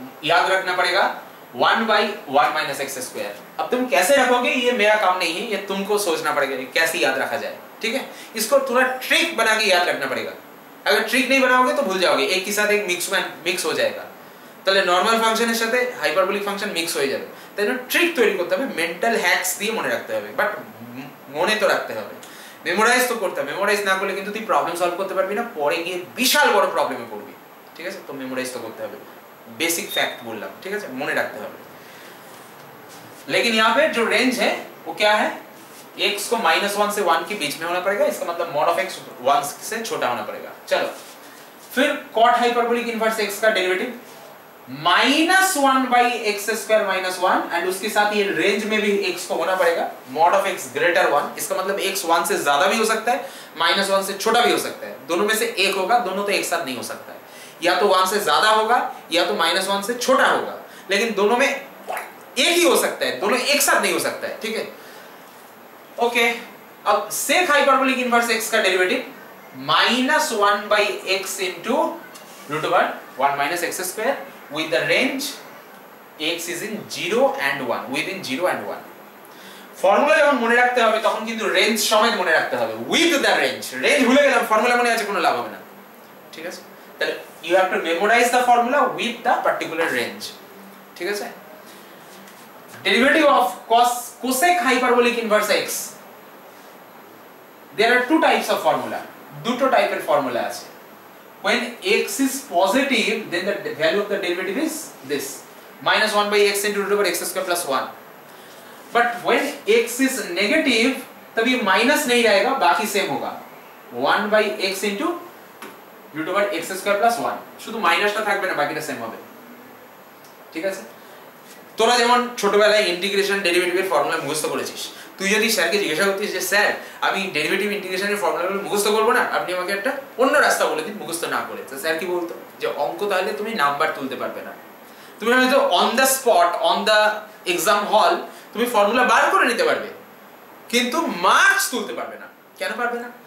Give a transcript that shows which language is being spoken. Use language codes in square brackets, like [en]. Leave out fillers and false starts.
[hi] याद रखना पड़ेगा 1 by 1 minus x square अब तुम कैसे रखोगे ये मेरा काम नहीं है ये तुमको सोचना पड़ेगा कैसे याद रखा जाए ठीक है इसको थोड़ा ट्रिक बना के याद रखना पड़ेगा अगर ट्रिक नहीं बनाओगे तो भूल जाओगे एक के साथ एक मिक्स में मिक्स हो जाएगा तले नॉर्मल फंक्शन के साथ हाइपरबोलिक फंक्शन मिक्स हो जाएगा तो ट्रिक तैयारी करते हुए मेंटल हैक्स दिए मने रखते हुए बट मने तो रखते हुए [bn] মেমোরাইজ তো করতে হবে, মেমোরাইজ না করলে কিন্তু তুই প্রবলেম সলভ করতে পারবি না, পরে গিয়ে বিশাল বড় প্রবলেমে পড়বি, ঠিক আছে? তো মেমোরাইজ তো করতে হবে, বেসিক ফ্যাক্ট বললাম, ঠিক আছে, মনে রাখতে হবে। [hi] लेकिन यहाँ पे जो रेंज है वो क्या है, x को माइनस वन से वन के बीच में होना पड़ेगा, इसका मतलब मॉड ऑफ x वन से छोटा होना पड़ेगा। चलो फिर cot hyperbolic inverse x का derivative minus one by x square minus one, and उसके साथ ये रेंज में भी x को होना पड़ेगा mod of x greater one, इसका मतलब x वन से ज्यादा भी हो सकता है, माइनस वन से छोटा भी हो सकता है, दोनों में से एक होगा, दोनों तो एक साथ नहीं हो सकता है, या तो वन से ज्यादा होगा या तो माइनस वन से छोटा होगा, लेकिन दोनों में एक ही हो सकता है, दोनों एक साथ नहीं हो सकता है, ठीक है? ओके, अब sec hyperbolic inverse x का derivative minus one by x into root one, one minus x square [en] With the range x is in zero and one, within zero and one. [bn] Formula যখন মনে রাখতে হবে তখন কিন্তু range সময় মনে রাখতে হবে, উইথ দ্য রেঞ্জ, রেঞ্জ ভুলে গেলাম ফর্মুলা মনে আছে কোনো লাভ হবে না, ঠিক আছে? [en] তাহলে you have to memorise the formula with the particular range, [bn] ঠিক আছে? [en] Derivative of cosec hyperbolic inverse x. There are two types of formula. [bn] Dutto type of formula ache. [en] When x is positive, then the value of the derivative is this. Minus 1 by x into root over x square plus 1. But when x is negative, [hi] tabhi minus nahi aayega, baki same hoga. [en] 1 by x into root over x square plus 1. [bn] Shudhu minus ta thakbe na, baki ta same hobe. Thik ache? তোরা যেমন ছোটবেলায় integration ডেরিভেটিভের formula মুখস্থ করেছিস, তুই যদি স্যারকে জিজ্ঞাসা করতিস যে স্যার আমি ডেরিভেটিভ ইন্টিগ্রেশনের ফর্মুলাগুলো মুখস্থ করবো না, আপনি আমাকে একটা অন্য রাস্তা বলে দিন মুখস্থ না করে, তো স্যার কি বলতো যে অঙ্ক তাহলে তুমি নাম্বার তুলতে পারবে না, তুমি হয়তো [en] on the spot on the exam hall [bn] তুমি ফর্মুলা বার করে নিতে পারবে কিন্তু মার্কস তুলতে পারবে না। কেন পারবে না?